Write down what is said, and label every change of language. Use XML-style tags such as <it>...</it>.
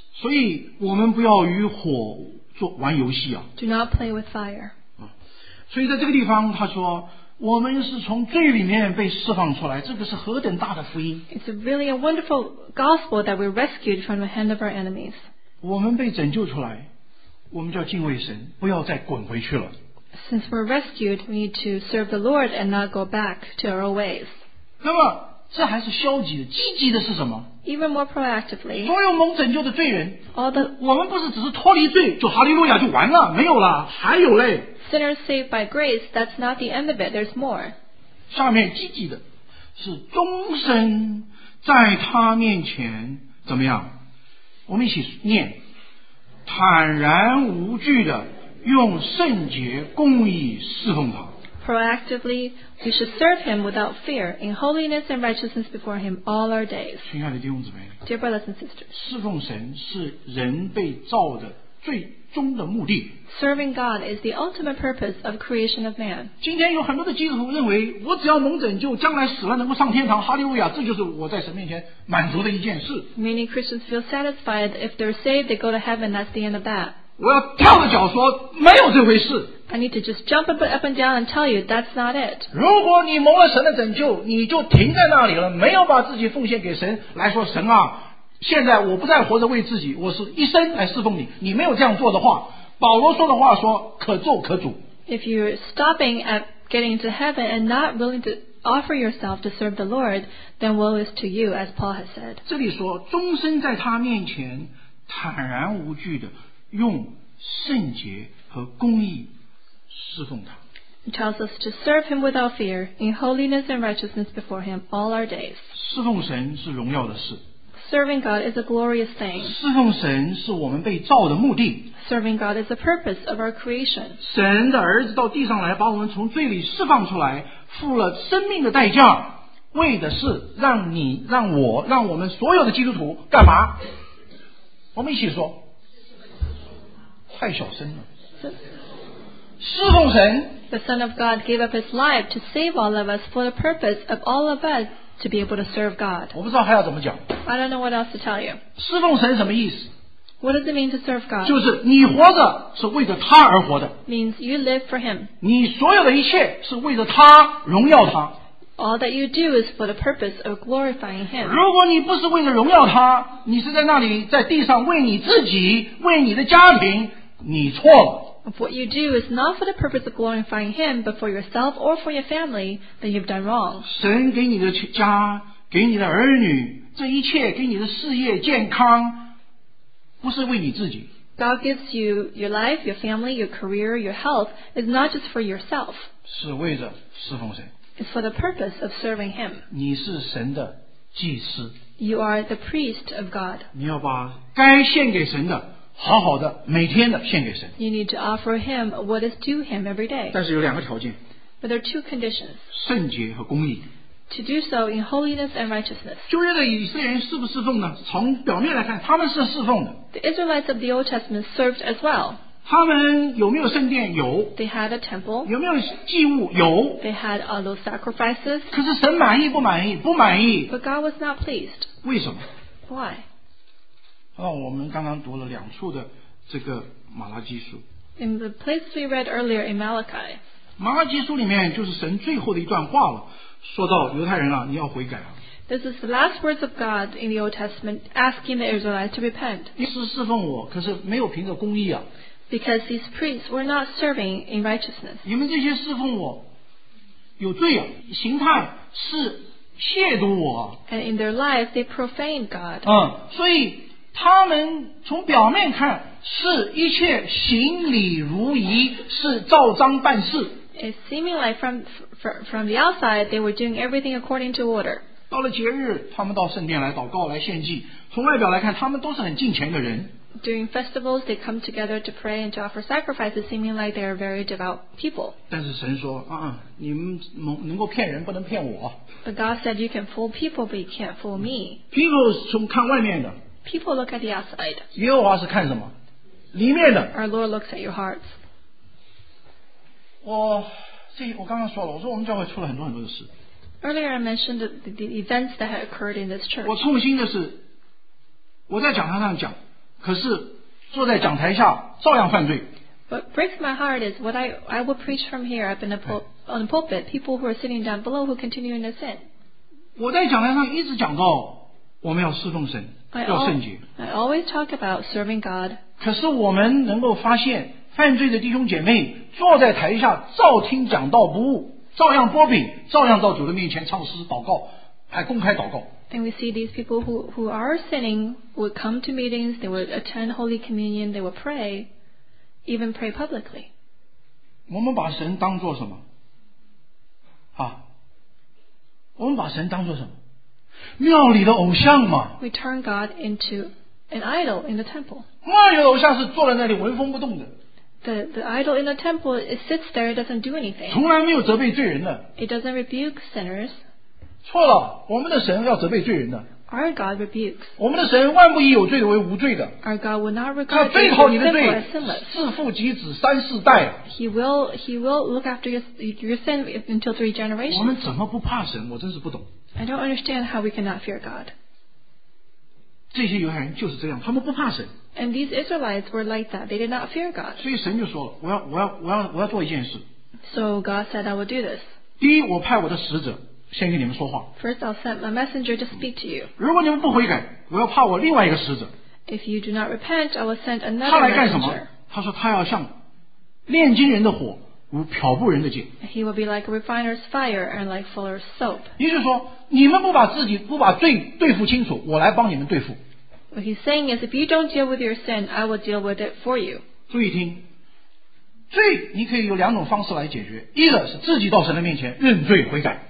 <zh>所以我们不要与火做玩游戏啊。</zh> <en>Do not play with fire.</en> <zh>所以在这个地方他说我们是从罪里面被释放出来这个是何等大的福音。</zh> <en>It's really a wonderful gospel that we're rescued from the hand of our enemies.</en> <zh>我们被拯救出来我们就要敬畏神不要再滚回去了。</zh> <en>Since we're rescued, we need to serve the Lord and not go back to our ways.</en> <zh>那么这还是消极的积极的是什么</zh> <en>Even more proactively,</en> <zh>所有蒙拯救的罪人</zh> <en>all the,</en> <zh>我们不是只是脱离罪就哈利路亚就完了没有了还有嘞</zh> <en>Sinners saved by grace, that's not the end of it, there's more.</en> <zh>下面积极的是终身在他面前怎么样我们一起念坦然无惧的用圣洁公义侍奉他</zh> <en>Proactively,We should serve him without fear in holiness and righteousness before him all our days.</en> <zh>亲爱的弟兄姊妹</zh> <en>Dear brothers and sisters,</en> <zh>侍奉神是人被造的最终的目的</zh> <en>Serving God is the ultimate purpose of creation of man.</en> <zh>今天有很多的基督徒认为我只要蒙拯救将来死了能够上天堂哈利路亚这就是我在神面前满足的一件事</zh> <en>Many Christians feel satisfied if they're saved they go to heaven that's the end of that.</en> <zh>我要跳着脚说没有这回事</zh> <en>I need to just jump up and down and tell you that's not it.</en> <zh>如果你蒙了神的拯救，你就停在那里了，没有把自己奉献给神，来说神啊，现在我不再活着为自己，我是一生来侍奉你。你没有这样做的话，保罗说的话说可咒可诅。</zh> <en>If you're stopping at getting to heaven and not willing to offer yourself to serve the Lord, then woe is to you, as Paul has said.</en> <zh>这里说终身在他面前坦然无惧的用圣洁和公义。</zh> <en>He tells us to serve him without fear in holiness and righteousness before him all our days.</en> <zh>侍奉神是荣耀的事。</zh> <en>Serving God is a glorious thing.</en> <zh>侍奉神是我们被造的目的。</zh> <en>Serving God is the purpose of our creation.</en> <zh>神的儿子到地上来把我们从罪里释放出来，付了生命的代价，为的是让你、让我、让我们所有的基督徒干嘛？我们一起说，太小声了。侍奉神。</zh> <en>The Son of God gave up His life to save all of us for the purpose of all of us to be able to serve God.</en> <zh>我不知道还要怎么讲。</zh> <en>I don't know what else to tell you.</en> <zh>侍奉神什么意思？</zh> <en>What does it mean to serve God?</en> <zh>就是你活着是为着他而活的。</zh> <en>Means you live for Him.</en> <zh>你所有的一切是为着他，荣耀他。</zh> <en>All that you do is for the purpose of glorifying Him.</en> <zh>如果你不是为了荣耀他，你是在那里在地上为你自己，为你的家庭，你错了。</zh> <en>If what you do is not for the purpose of glorifying Him, but for yourself or for your family, then you've done wrong.</en> <zh>神给你的家，给你的儿女，这一切给你的事业、健康，不是为你自己。</zh> <en>God gives you your life, your family, your career, your health, is not just for yourself.</en> <zh>是为着侍奉神。</zh> <en>It's for the purpose of serving Him.</en> <zh>你是神的祭司。</zh> <en>You are the priest of God.</en> <zh>你要把该献给神的好好的每天的献给神。</zh> <en>You need to offer him what is due him every day.</en> <zh>但是有两个条件。</zh> <en>But there are two conditions.</en> <zh>圣洁和公义。</zh> <en>To do so in holiness and righteousness.</en> <zh>旧约的以色列人是不是侍奉呢？从表面来看，他们是侍奉的。</zh> <en>The Israelites of the Old Testament served as well.</en> <zh>他们有没有圣殿？有。</zh> <en>They had a temple.</en> <zh>有没有祭物？有。</zh> <en>They had all those sacrifices.</en> <zh>可是神满意不满意？不满意。</zh> <en>But God was not pleased.</en> <zh>为什么？</zh> <en>Why?</en> <zh>我们刚刚读了两处的这个马拉基书。</zh> <en>In the place we read earlier in Malachi.</en> <zh>马拉基书里面就是神最后的一段话了，说到犹太人啊，你要悔改啊。</zh> <en>This is the last words of God in the Old Testament asking the Israelites to repent.</en> <zh>你是侍奉我，可是没有凭着公义啊。</zh> <en>Because these priests were not serving in righteousness.</en> <zh>你们这些侍奉我，有罪啊，形态是亵渎我。</zh> <en>And in their life they profaned God.</en> <zh>所以他们从表面看是一切行礼如仪，是照章办事。</zh> <en>It seemed like from the outside they were doing everything according to order.</en> <zh>到了节日，他们到圣殿来祷告，来献祭。从外表来看，他们都是很敬虔的人。</zh> <en>During festivals, they come together to pray and to offer sacrifices, seeming like they are very devout people.</en> <zh>但是神说啊，你们能够骗人，不能骗我。 But God said you can fool people, but you can't fool me. People 从看外面的。</zh> <en>People look at the outside.</en> <zh>耶和华是看什么？里面的。</zh> <en>Our Lord looks at your hearts.</en> <zh>我刚刚说了，我说我们教会出了很多很多的事。</zh> <en>Earlier I mentioned the events that had occurred in this church.</en> <zh>我痛心的是，我在讲台上讲，可是坐在讲台下照样犯罪。</zh> <en>What breaks my heart is what I will preach from here. I've been on the pulpit. People who are sitting down below who continue in their sin.</en> <zh>我在讲台上一直讲到我们要侍奉神。要圣洁。</zh> <en>I always talk about serving God.</en> <zh>可是我们能够发现犯罪的弟兄姐妹坐在台下照听讲道不误，照样拨饼，照样到主的面前唱诗祷告，还公开祷告。</zh> <en>And we see these people who are sinning would come to meetings, they would attend Holy Communion, they would pray, even pray publicly.</en> <zh>我们把神当作什么？啊，我们把神当作什么？庙里的偶像嘛。</zh> <en>We turn God into an idol in the temple.</en> <zh>庙里的偶像是坐在那里纹风不动的。</zh> <en>The idol in the temple, it sits there, it doesn't do anything.</en> <zh>从来没有责备罪人的。</zh> <en>It doesn't rebuke sinners.</en> <zh>错了，我们的神要责备罪人的。</zh> <en>Our God rebukes.</en> <zh>我们的神万不以有罪的为无罪的。</zh> <en>Our God will not regard you as sinless.</en> <zh>他背后你的罪，四父及子三四代。</zh> <en>He will look after your sin until three generations.</en> <zh>我们怎么不怕神？我真是不懂。</zh> <en>I don't understand how we cannot fear God.</en> <zh>这些犹太人就是这样，他们不怕神。</zh> <en>And these Israelites were like that. They did not fear God.</en> <zh>所以神就说了，我要做一件事。</zh> <en>So God said, I will do this.</en> <zh>第一，我派我的使者先跟你们说话。</zh> <en>First, I'll send my messenger to speak to you.</en> <zh>如果你们不悔改，我要派我另外一个使者。</zh> <en>If you do not repent, I will send another.</en> <zh>他来干什么？他说他要像炼金人的火。</zh> <en>He will be like a refiner's fire and like fuller's soap.</en> <zh>也就是说，你们不把罪对付清楚，我来帮你们对付。</zh> <en>What he's saying is, if you don't deal with your sin, I will deal with it for you.</en> <zh>注意听，罪你可以有两种方式来解决，一个是自己到神的面前认罪悔改。</zh>